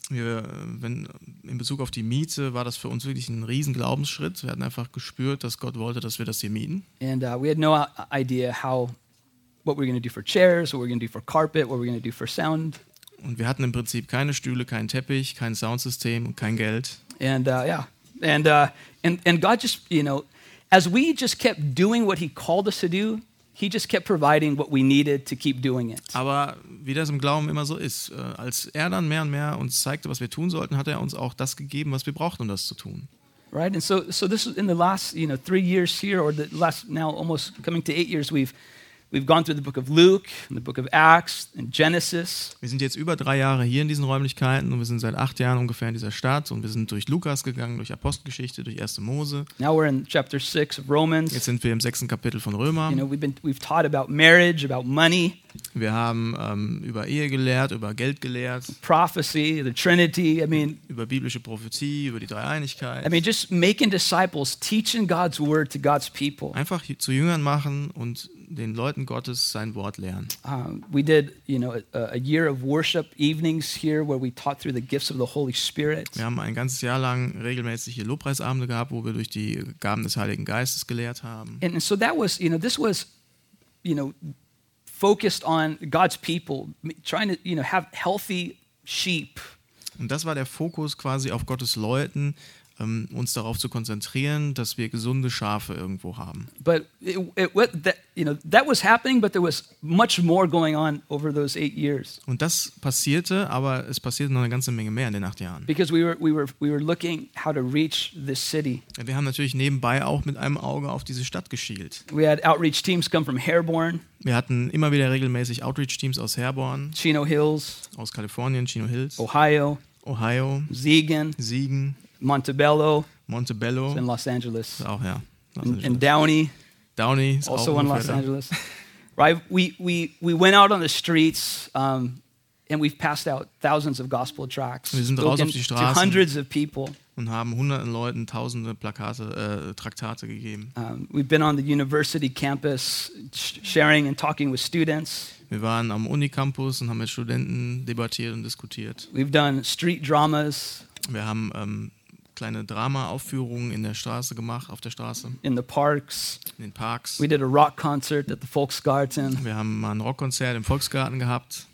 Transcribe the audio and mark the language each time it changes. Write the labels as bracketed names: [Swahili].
[German] In Bezug auf die Miete war das für uns wirklich ein riesen Glaubensschritt. Wir hatten einfach gespürt, dass Gott wollte, dass wir das hier mieten. [English] And we had no idea what we're going to do for chairs, what we're going to do for carpet, what we're going to do for sound. [German] Und wir hatten im Prinzip keine Stühle, keinen Teppich, kein Soundsystem und kein Geld. [English] And and God just, you know, as we just kept doing what he called us to do, he just kept providing what we needed to keep doing it. [German] Aber wie das im Glauben immer so ist, als er dann mehr und mehr uns zeigte, was wir tun sollten, hat er uns auch das gegeben, was wir brauchten, um das zu tun. [English] Right, and so this is in the last, you know, 3 years here, or the last now almost coming to 8 years, we've gone through the book of Luke, and the book of Acts, and Genesis. [German] Wir sind jetzt über 3 Jahre hier in diesen Räumlichkeiten und wir sind seit 8 Jahren ungefähr in dieser Stadt und wir sind durch Lukas gegangen, durch Apostelgeschichte, durch 1. Mose. [English] Now we're in chapter 6 of Romans. [German] Jetzt sind wir im 6. Kapitel von Römer. [English] You know, we've taught about marriage, about money. [German] Wir haben über Ehe gelehrt, über Geld gelehrt. [English] Prophecy, the Trinity, I mean. [German] Über biblische Prophetie, über die Dreieinigkeit. [English] I mean, just making disciples, teaching God's word to God's people. [German] Einfach zu Jüngern machen und den Leuten Gottes sein Wort lernen. [English] We did, you know, a year of worship evenings here where we taught through the gifts of the Holy Spirit. [German] Wir haben ein ganzes Jahr lang regelmäßig hier Lobpreisabende gehabt, wo wir durch die Gaben des Heiligen Geistes gelehrt haben. [English] And so that was, you know, this was, you know, focused on God's people, trying to, you know, have healthy sheep. [German] Und das war der Fokus quasi auf Gottes Leuten, uns darauf zu konzentrieren, dass wir gesunde Schafe irgendwo haben. [English] But that was happening, but there was much more going on over those 8 years. [German] Und das passierte, aber es passierte noch eine ganze Menge mehr in den 8 Jahren. [English] Because we were looking how to reach this city. [German] Wir haben natürlich nebenbei auch mit einem Auge auf diese Stadt geschielt. [English] We had outreach teams come from Herborn. [German] Wir hatten immer wieder regelmäßig Outreach Teams aus Herborn, Chino Hills, aus Kalifornien, Chino Hills, Ohio, Siegen. Montebello, in Los Angeles. Auch, ja. [English] And Downey, [German] also in Los Angeles. [English] Right, we went out on the streets and we've passed out thousands of gospel tracts. [German] Wir sind raus auf die Straßen [English] to hundreds of people. [German] Und haben hunderten Leuten tausende Traktate gegeben. [English] We've been on the university campus sharing and talking with students. [German] Wir waren am Unicampus und haben mit Studenten debattiert und diskutiert. [English] We've done street dramas. [German] Wir haben kleine Drama-Aufführungen in der Straße gemacht, auf der Straße. [English] In the parks. [German] In den Parks. [English] We did a rock concert at the Volksgarten. [German] Wir haben mal ein Rockkonzert im Volksgarten gehabt.